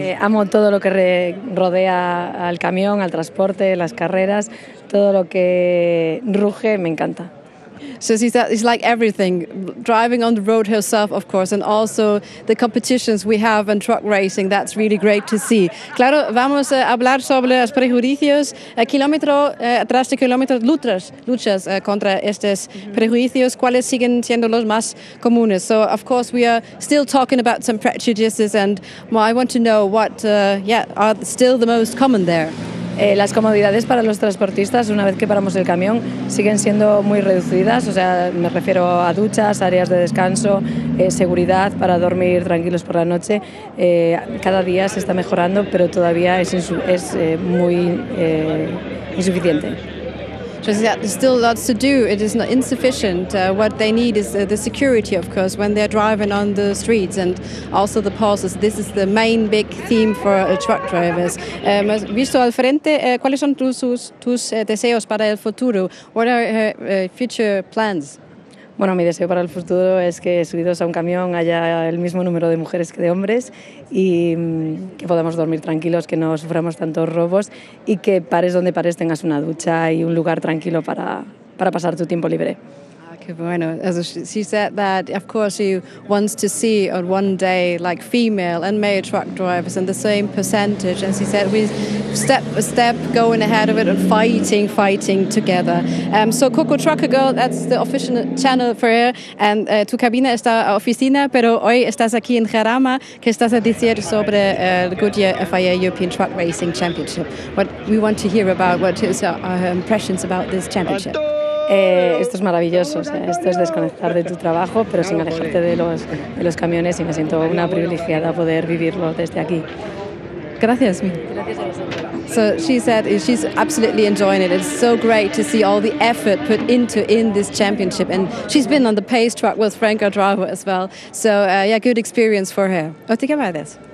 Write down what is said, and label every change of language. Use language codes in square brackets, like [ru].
[es] Amo todo lo que rodea al camión, al transporte, las carreras, todo lo que ruge, me encanta. [en] So she's like everything, driving on the road herself, of course, and also the competitions we have and truck racing. That's really great to see. [es] Claro, vamos a hablar sobre los prejuicios, kilómetro tras kilómetro, luchas contra estos prejuicios. ¿Cuáles siguen siendo los más comunes? [en] So of course we are still talking about some prejudices, and well, I want to know what are still the most common there. [es] Las comodidades para los transportistas, una vez que paramos el camión, siguen siendo muy reducidas. O sea, me refiero a duchas, áreas de descanso, seguridad para dormir tranquilos por la noche. Cada día se está mejorando, pero todavía es muy insuficiente. [en] Because there's still lots to do. It is not insufficient. What they need is the security, of course, when they're driving on the streets, and also the pauses. This is the main big theme for truck drivers. [es] Visto al frente, ¿cuáles son tus deseos para el futuro? [en] What are her future plans? [es] Bueno, mi deseo para el futuro es que subidos a un camión haya el mismo número de mujeres que de hombres y que podamos dormir tranquilos, que no suframos tantos robos y que pares donde pares tengas una ducha y un lugar tranquilo para pasar tu tiempo libre. [en] Bueno, as she said that, of course, she wants to see on one day like female and male truck drivers and the same percentage. And she said we step by step going ahead of it and fighting together. So Coco Trucker Girl, that's the official channel for her. [es] And tu cabina está oficina, pero hoy estás aquí en Jarama. ¿Qué estás a decir sobre el Goodyear FIA European Truck Racing Championship? [en] What we want to hear about, what is her impressions about this championship? [es] Esto es maravilloso, o sea, esto es desconectar de tu trabajo, pero sin alejarte de los camiones, y me siento una privilegiada poder vivirlo desde aquí. [en] Gracias. So she said she's absolutely enjoying it. It's so great to see all the effort put into this championship, and she's been on the pace track with Franco Drago as well. So good experience for her. Oti Cabadas.